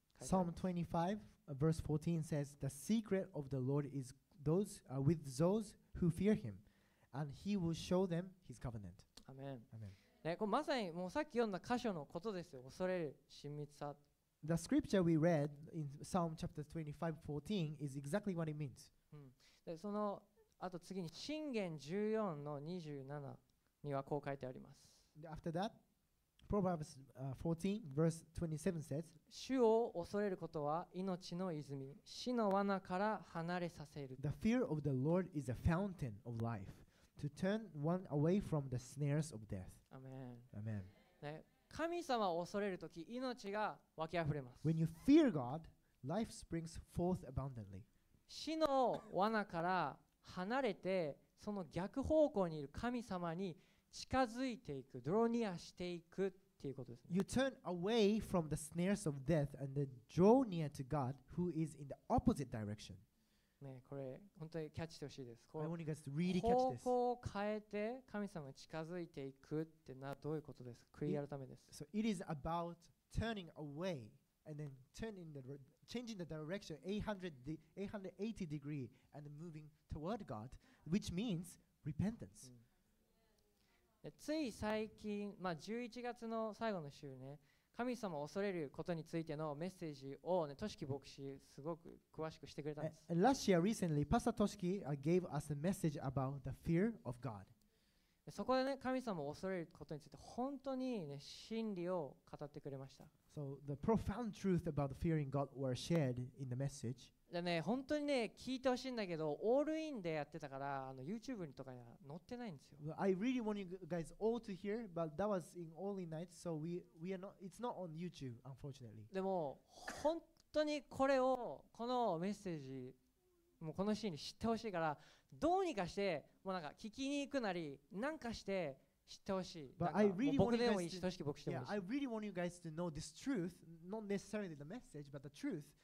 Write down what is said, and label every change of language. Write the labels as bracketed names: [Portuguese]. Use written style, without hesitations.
[English] Psalm 25, verse 14 says, "The secret of the Lord is." With those who fear him, and he will show them his covenant. Amen. [Japanese] Amen.、ね、これまさにもうさっき読んだ箇所のことですよ。恐れる親密さ。 [English] The scripture we read in Psalm chapter 25:14 is exactly what it means.、 [Japanese] うん、でそのあと次に箴言14の27にはこう書いてあります。 [English] After that, Proverbs 14 verse 27 says, [Japanese] 主を恐れることは命の泉、死の罠から離れさせる。 [English] The fear of the Lord is a fountain of life, to turn one away from the snares of death. Amen. Amen.、 [Japanese] ね、神様を恐れるとき命が湧き溢れます。 [English] When you fear God, life springs forth abundantly. [Japanese] 死の罠から離れてその逆方向にいる神様に近づいていく、ドローニアしていくっていうことですね。 [English] You turn away from the snares of death and then draw near to God who is in the opposite direction. [Japanese] ね、これ本当にキャッチしてほしいです。 [English] I want you guys to really catch this. [Japanese] 方向を変えて神様に近づいていくってな、どういうことですか？悔い改めです。 [English] So it is about turning away and then changing the direction 880 degree and moving toward God, which means repentance.、うん [Japanese] つい最近、まあ、11月の最後の週ね、神様を恐れることについてのメッセージをね、トシキ牧師すごく詳しくしてくれたんです。 [English] Last year, recently, Pastor Toshiki gave us a message about the fear of God. [Japanese] そこでね、神様を恐れることについて本当にね、真理を語ってくれました。 [English] So the profound truth about fearing God were shared in the message. [Japanese] でね、本当にね聞いてほしいんだけど、オールインでやってたから、あの YouTube とかには載ってないんですよ。 [English] I really want you guys all to hear, but that was in all in night, so we are not, it's not on YouTube, unfortunately. [Japanese] でも本当にこれを、このメッセージ、もうこのシーンに知ってほしいから、どうにかしてもうなんか聞きに行くなりなんかして知ってほしい。 [English] But I really want you guys to, yeah, I really want you guys to know this truth, not necessarily the message, but the truth.